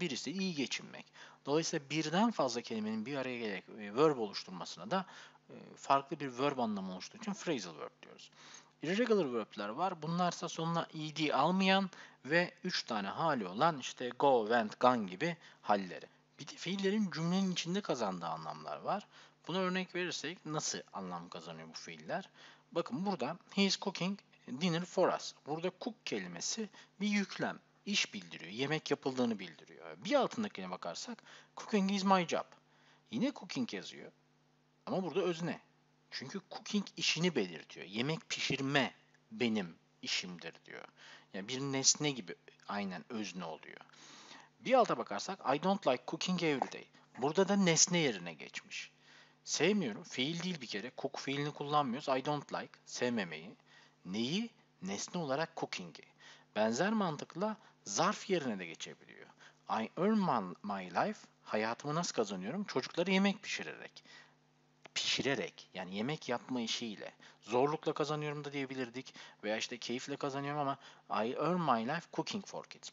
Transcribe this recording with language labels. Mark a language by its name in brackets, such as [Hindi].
[Turkish] Birisi iyi geçinmek. Dolayısıyla birden fazla kelimenin bir araya gelerek verb oluşturmasına da farklı bir verb anlamı oluşturduğu için phrasal verb diyoruz. Irregular verb'ler var. Bunlarsa sonuna ed almayan ve 3 tane hali olan işte go, went, gone gibi halleri. Bir de fiillerin cümlenin içinde kazandığı anlamlar var. Buna örnek verirsek nasıl anlam kazanıyor bu fiiller? Bakın burada [English] he is cooking dinner for us. [Turkish] Burada cook kelimesi bir yüklem, iş bildiriyor, yemek yapıldığını bildiriyor. Bir altındakine bakarsak [English] cooking is my job. [Turkish] Yine cooking yazıyor ama burada özne. Çünkü cooking işini belirtiyor. Yemek pişirme benim işimdir diyor. Yani bir nesne gibi aynen özne oluyor. Bir alta bakarsak [English] I don't like cooking every day. [Turkish] Burada da nesne yerine geçmiş. Sevmiyorum. Fiil değil bir kere. Cook fiilini kullanmıyoruz. [English] I don't like. [Turkish] Sevmemeyi. Neyi? Nesne olarak cooking'i. Benzer mantıkla zarf yerine de geçebiliyor. [English] I earn my life. [Turkish] Hayatımı nasıl kazanıyorum? Çocukları yemek pişirerek. Pişirerek, yani yemek yapma işiyle, zorlukla kazanıyorum da diyebilirdik veya işte keyifle kazanıyorum ama [English] I earn my life cooking for kids.